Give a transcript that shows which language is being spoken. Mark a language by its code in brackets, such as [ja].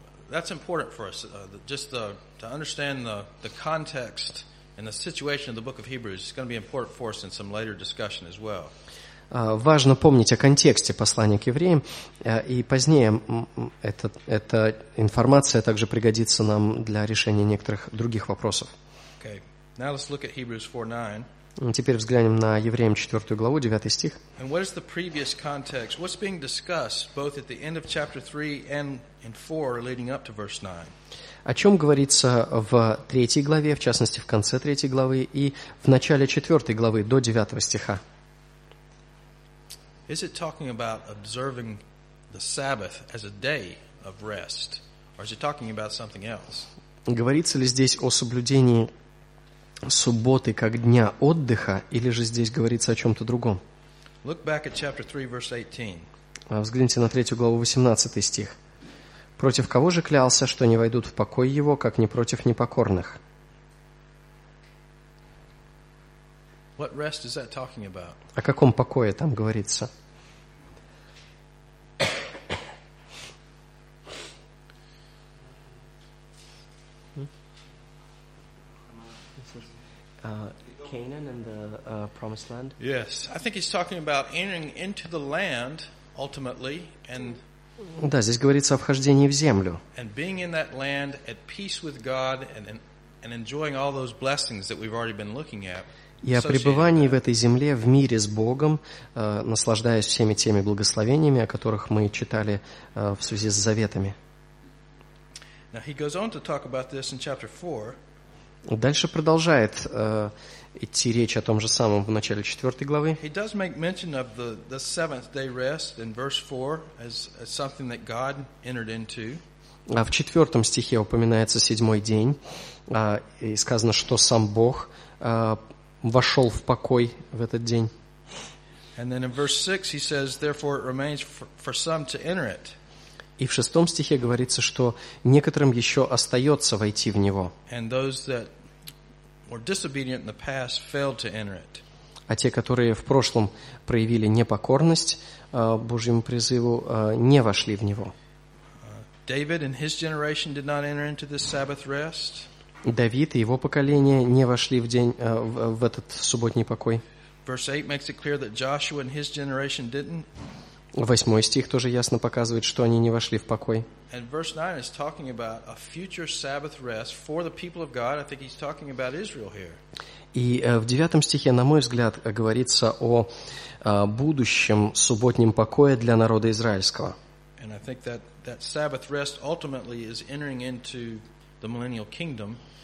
[en] That's important for us, just to understand the context and the situation of the book of Hebrews. It's going to be important for us in some later discussion as well. [ru] Важно помнить о контексте послания к евреям, и позднее эта информация также пригодится нам для решения некоторых других вопросов. [en] Okay. Now let's look at Hebrews 4:9. [ru] Теперь взглянем на Евреям 4 главу, 9 стих. [en] And what is the previous context? What's being discussed both at the end of chapter 3 and in 4 leading up to verse 9? [ru] О чем говорится в 3 главе, в частности в конце 3 главы и в начале 4 главы до 9 стиха? [en] Is it talking about observing the Sabbath as a day of rest, or is it talking about something else? [ru] Говорится ли здесь о соблюдении субботы как дня отдыха, или же здесь говорится о чем-то другом? [en] Look back at chapter 3, verse 18. [ru] Взгляните на 3 главу, 18 стих. Против кого же клялся, что не войдут в покой его, как не против непокорных? [en] What rest is that talking about? [ru] О каком покое там говорится? [en] Canaan and the promised land? Yes, I think he's talking about entering into the land ultimately and [ru] Да, здесь говорится о вхождении в землю. [en] And being in that land at peace with God and enjoying all those blessings that we've already been looking at. [ru] И о пребывании в этой земле, в мире с Богом, наслаждаясь всеми теми благословениями, о которых мы читали в связи с заветами. [en] Now he goes on to talk about this in chapter 4. [ru] Дальше продолжает идти речь о том же самом в начале 4 главы. [en] He does make mention of the seventh day rest in verse 4 as something that God entered into. [ru] А в 4 стихе упоминается седьмой день, и сказано, что сам Бог вошел в покой в этот день. [en] And then in verse 6 he says, therefore it remains for some to enter it. [ru] И в шестом стихе говорится, что некоторым еще остается войти в него. [en] And those that were disobedient in the past failed to enter it. [ru] А те, которые в прошлом проявили непокорность Божьему призыву, не вошли в него. [en] David and his generation did not enter into this Sabbath rest. [ru] Давид и его поколение не вошли в день в этот субботний покой. [en] Verse 8 makes it clear that Joshua and his generation didn't. [ru] Восьмой стих тоже ясно показывает, что они не вошли в покой. [en] And verse 9 is talking about a future Sabbath rest for the people of God. I think he's talking about Israel here. [ru] И в девятом стихе, на мой взгляд, говорится о будущем субботнем покое для народа израильского. [en] And I think that that Sabbath rest ultimately is entering into the millennial kingdom.